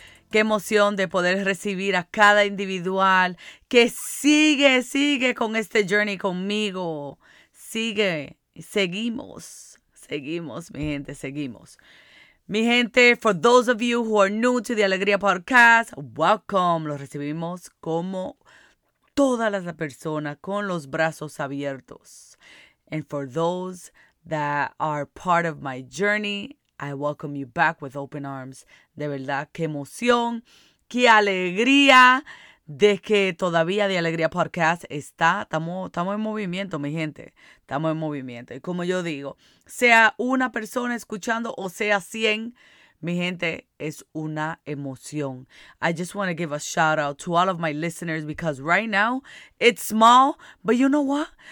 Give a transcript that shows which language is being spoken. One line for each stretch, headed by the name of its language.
Spanish: Qué emoción de poder recibir a cada individual que sigue con este journey conmigo. Sigue, seguimos, mi gente, seguimos. Mi gente,
English: for those of you who are new to the Alegría Podcast, welcome.
Spanish: Los recibimos como todas las personas con los brazos abiertos.
English: And for those that are part of my journey, I welcome you back with open arms.
Spanish: De verdad, qué emoción, qué alegría de que todavía The Alegría Podcast está. Estamos en movimiento, mi gente. Estamos en movimiento. Y como yo digo, sea una persona escuchando o sea 100, mi gente, es una emoción.
English: I just want to give a shout out to all of my listeners because right now it's small, but you know what?